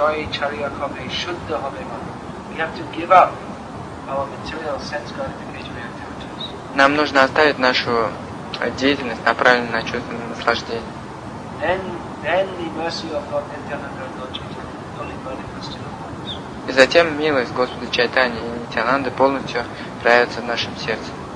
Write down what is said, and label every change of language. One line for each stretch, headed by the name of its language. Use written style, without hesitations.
English: We have to give up our material sense gratification activities.
Russian: Нам нужно оставить нашу деятельность, направленную на чувственное наслаждение.
English: Then the mercy of Lord Nityananda and Lord Chaitanya fully manifests in our hearts.
Russian: И затем милость Господа Чайтани и Нитьянанды полностью проявится в нашем сердце.